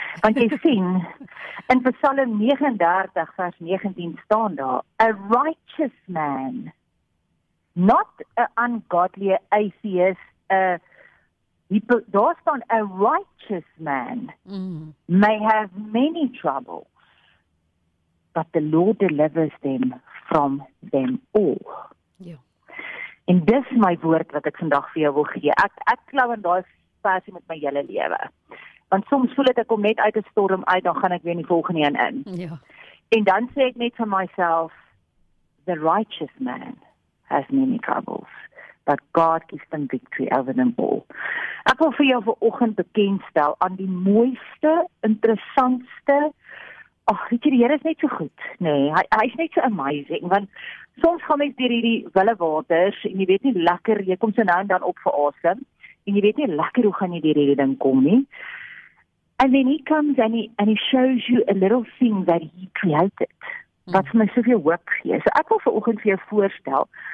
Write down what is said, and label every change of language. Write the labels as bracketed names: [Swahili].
[Afrikaans] Want jy sien, in Psalm 39 vers 19 staan daar, [English] a righteous man, not an ungodly atheist, [Afrikaans] daar staan, [English] a righteous man may have many troubles, but the Lord delivers them from them all. Yeah. [Afrikaans] En dis my woord wat ek vandag vir jou wil gee. Ek klou in daai versie met my hele lewe. Want soms voel ek om net uit 'n storm uit, dan gaan ek weer in die volgende een in. Yeah. En dan sê ek net vir myself, [English] the righteous man has many troubles, but God gives them victory over them all. [Afrikaans] Ek wil vir jou vanoggend bekendstel aan die mooiste, interessantste, ag, weet jy, die Here is net so goed, nee, hy is net so amazing, want soms gaan mens deur hierdie wille waters, en jy weet nie lekker, jy kom so nou en dan op vir asem, en jy weet nie lekker hoe gaan jy deur hierdie ding kom nie, [English] and then he comes and he shows you a little thing that he created, [Afrikaans] wat vir my soveel hoop gee. So ek wil vanoggend vir jou voorstel,